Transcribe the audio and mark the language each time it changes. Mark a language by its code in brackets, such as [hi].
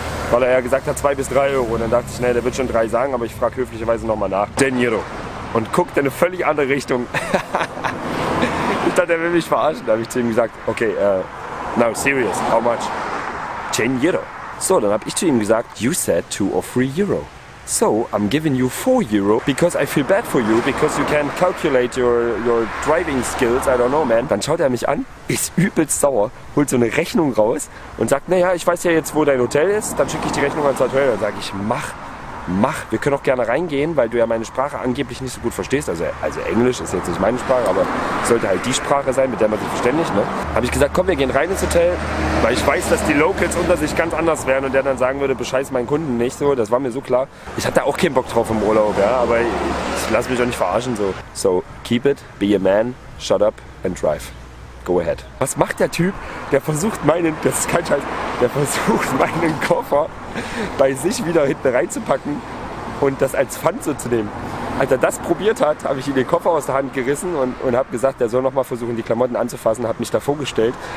[de] Weil er ja gesagt hat, 2 bis 3 Euro. Und dann dachte ich, nee, der wird schon 3 sagen, aber ich frage höflicherweise nochmal nach. Deniro. Und guckt in eine völlig andere Richtung. Ich dachte, er will mich verarschen. Da habe ich zu ihm gesagt, okay, [en] now serious, how much? [de] Deniro. So, dann habe ich zu ihm gesagt, [en] you said 2 or 3 Euro. So, I'm giving you 4 Euro, because I feel bad for you, because you can't calculate your driving skills, I don't know, man. [de] Dann schaut er mich an, ist übelst sauer, holt so eine Rechnung raus und sagt, naja, ich weiß ja jetzt, wo dein Hotel ist, dann schicke ich die Rechnung ans Hotel. Dann sage ich, mach, wir können auch gerne reingehen, weil du ja meine Sprache angeblich nicht so gut verstehst. Also Englisch ist jetzt nicht meine Sprache, aber sollte halt die Sprache sein, mit der man sich verständigt. Ne? Habe ich gesagt, komm, wir gehen rein ins Hotel, weil ich weiß, dass die Locals unter sich ganz anders wären und der dann sagen würde, bescheiß meinen Kunden nicht so. Das war mir so klar. Ich hatte auch keinen Bock drauf im Urlaub, ja, aber ich lass mich auch nicht verarschen. [en] So, keep it, be a man, shut up and drive. Go ahead. [de] Was macht der Typ? Der versucht meinen Koffer bei sich wieder hinten reinzupacken und das als Pfand so zu nehmen. Als er das probiert hat, habe ich ihm den Koffer aus der Hand gerissen und habe gesagt, der soll nochmal versuchen, die Klamotten anzufassen, habe mich davor gestellt.